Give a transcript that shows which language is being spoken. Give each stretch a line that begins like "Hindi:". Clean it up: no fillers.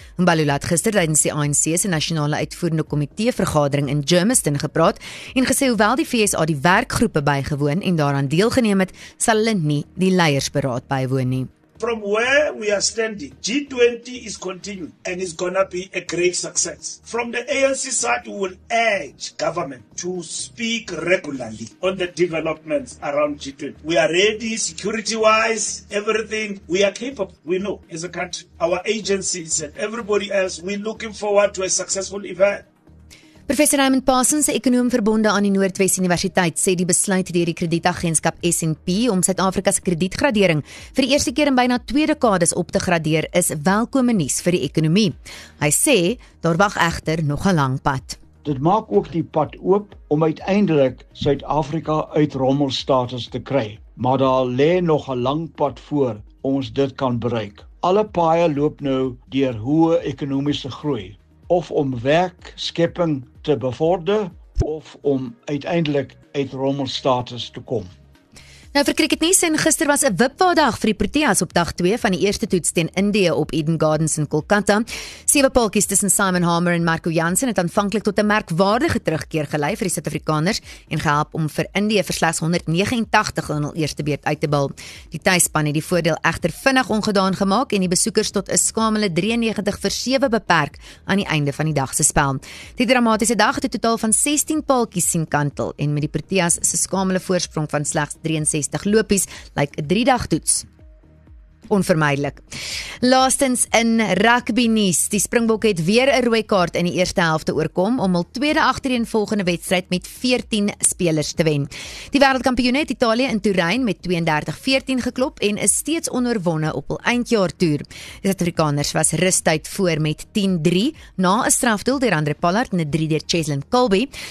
Afrikaans: Mbalula het gister tydens die ANC se nasionale uitvoerende komitee vergadering in Germiston gepraat en gesê hoewel die VSA die werkgroepe bygewoon en daaraan deelgeneem het, sal hulle nie die leiersberaad bywoon nie.
English: From where we are standing, G20 is continuing and is going to be a great success. From the ANC side, we will urge government to speak regularly on the developments around G20. We are ready security-wise, everything. We are capable, we know, as a country. Our agencies and everybody else, we're looking forward to a successful event.
Afrikaans: Professor Raymond Parsons, ekonoom verbonde aan die Noordwes Universiteit, sê die besluit deur die kredietagentskap S&P om Suid-Afrika se kredietgradering vir die eerste keer in byna 2 dekades op te gradeer is welkome nuus vir die ekonomie. Hy sê, daar wag egter nog 'n lang pad. Dit maak ook die pad oop om uiteindelik Suid-Afrika uit rommelstatus te kry, maar daar lê nog 'n lang pad voor ons dit kan bereik. Alle paaie loop nou deur hoë ekonomiese groei. Of om werkskepping te bevorder, of om uiteindelik uit rommelstatus te kom. Nou vir kriketnuus en gister was 'n wipwaardag vir die Proteas op dag 2 van die eerste toets teen Indië op Eden Gardens in Kolkata. 7 paaltjies tussen Simon Harmer en Marco Jansen het aanvanklik tot 'n merkwaardige terugkeer gelei vir die Suid-Afrikaners en gehelp om vir Indië vir slegs 189 in hul eerste beurt uit te bal. Die tuisspan het die voordeel egter vinnig ongedaan gemaak en die besoekers tot 'n skamele 93-7 beperk aan die einde van die dag se spel. Die dramatiese dag het 'n totaal van 16 paaltjies sien kantel en met die Proteas se skamele voorsprong van slegs 63 lopies, lyk 'n 3-dag toets. Onvermydelik. Laastens in rugby nuus, die Springbokke het weer 'n rooi kaart in die eerste helfte oorkom om hul tweede agtereenvolgende wedstryd met 14 spelers te wen. Die wêreldkampioene het Italië in Turyn met 32-14 geklop en is steeds onoorwonne op hul eindjaartoer. Die Suid-Afrikaners was rustyd voor met 10-3 na 'n strafdoel deur Andre Pollard en 'n 3 deur Cheslin Kolbe.